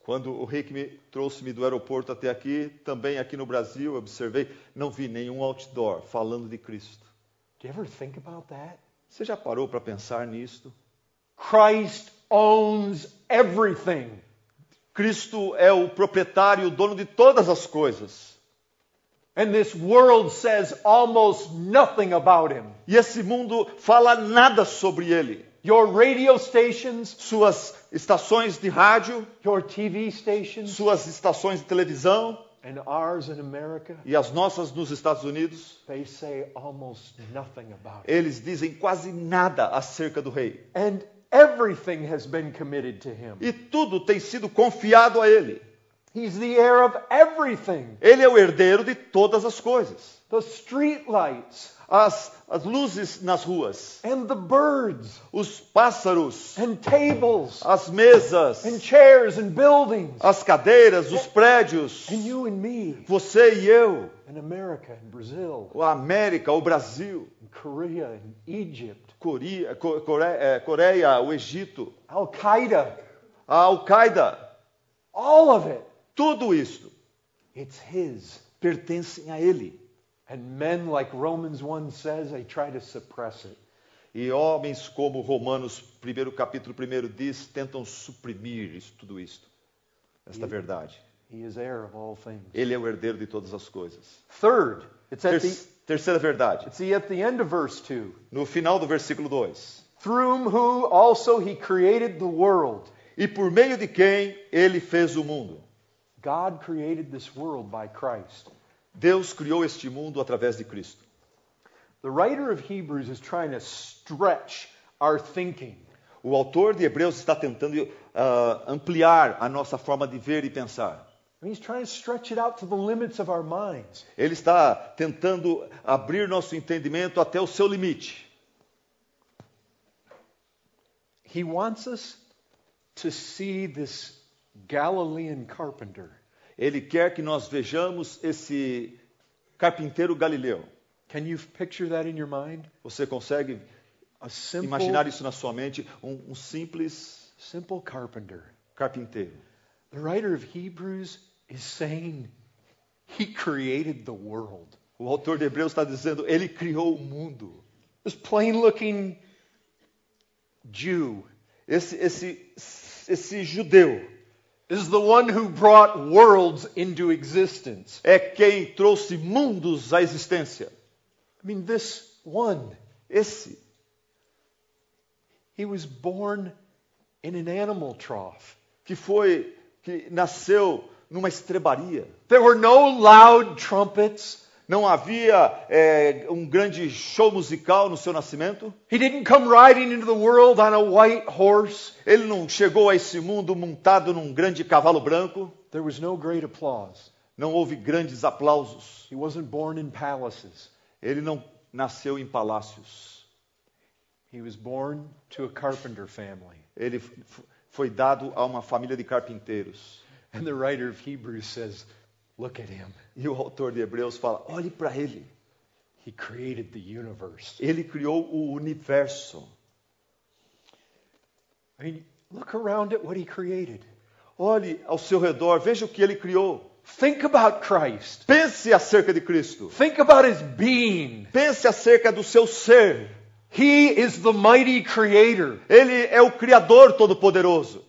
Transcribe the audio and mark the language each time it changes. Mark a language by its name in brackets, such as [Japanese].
[Portuguese] Quando o Rick me trouxe do aeroporto até aqui, também aqui no Brasil, observei, não vi nenhum outdoor falando de Cristo. [English] Do you ever think about that? [Portuguese] Você já parou para pensar nisto? [English] Christ owns everything. [Portuguese] Cristo é o proprietário, o dono de todas as coisas. [English] And this world says almost nothing about him. [Portuguese] E esse mundo fala nada sobre ele. [English] Your radio stations, [Portuguese] suas estações de rádio, [English] your TV stations, [Portuguese] suas estações de televisão, [English] and ours in America, [Portuguese] e as nossas nos Estados Unidos, [English] they say almost nothing about him. [Portuguese] Eles dizem quase nada acerca do rei. [English] And everything has been committed to him. [Portuguese] E tudo tem sido confiado a ele. [English] He's the heir of everything. [Portuguese] Ele é o herdeiro de todas as coisas. [English] The street lights. [Portuguese] As luzes nas ruas. [English] And the birds. [Portuguese] Os pássaros. [English] And tables. [Portuguese] As mesas. [English] And chairs and buildings. [Portuguese] As cadeiras, os prédios. [English] And you and me. [Portuguese] Você e eu. [English] And America and Brazil. [Portuguese] A América, o Brasil. [English] And Korea and Egypt. [Portuguese] Coreia, o Egito. [English] Al-Qaeda. [Portuguese] A Al-Qaeda. [English] All of it. [Portuguese] Tudo isso. [English] It's his. [Portuguese] Pertencem a ele. [English] And men like Romans 1 says, they try to suppress it. [Portuguese] E homens como Romanos 1, capítulo 1 diz, tentam suprimir isso, tudo isto. Esta [English] he, [Portuguese] verdade. [English] He is heir of all things. [Portuguese] Ele é o herdeiro de todas as coisas. [English] Third, it's at [Portuguese] terceira verdade. [English] It's at the end of verse 2. [Portuguese] No final do versículo 2. [English] Through whom also he created the world. [Portuguese] E por meio de quem ele fez o mundo. [English] God created this world by Christ. [Portuguese] Deus criou este mundo através de Cristo. [English] The writer of Hebrews is trying to stretch our thinking. [Portuguese] O autor de Hebreus está tentando ampliar a nossa forma de ver e pensar. [English] He's trying to stretch it out to the limits of our minds. [Portuguese] Ele está tentando abrir nosso entendimento até o seu limite. [English] He wants us to see this Galilean carpenter. [Portuguese] Ele quer que nós vejamos esse carpinteiro galileu. [English] Can you picture that in your mind? [Portuguese] Você consegue imaginar isso na sua mente? Um simples [English] simple carpenter. [Portuguese] Carpinteiro. [English] The writer of Hebrews is saying he created the world. [Portuguese] O autor de Hebreus está dizendo ele criou o mundo. [English] This plain looking Jew. [Portuguese] Esse judeu. [English] Is the one who brought worlds into existence. [Portuguese] É quem trouxe mundos à existência. [English] I mean, this one. [Portuguese] Esse. [English] He was born in an animal trough. [Portuguese] Que nasceu numa estrebaria. [English] There were no loud trumpets. [Portuguese] Não havia grande show musical no seu nascimento. [English] He didn't come riding into the world on a white horse. [Portuguese] Ele não chegou a esse mundo montado num grande cavalo branco. [English] There was no great applause. [Portuguese] Não houve grandes aplausos. [English] He wasn't born in palaces. [Portuguese] Ele não nasceu em palácios. [English] He was born to a carpenter family. [Portuguese] Ele foi dado a uma família de carpinteiros. [English] And the writer of Hebrews says, look at him. [Portuguese] E o autor de Hebreus fala, olhe para ele. [English] He created the universe. [Portuguese] Ele criou o universo. [English] I mean, look around at what he created. [Portuguese] Olhe ao seu redor, veja o que ele criou. [English] Think about Christ. [Portuguese] Pense acerca de Cristo. [English] Think about his being. [Portuguese] Pense acerca do seu ser. [English] He is the mighty creator. [Portuguese] Ele é o Criador Todo-Poderoso.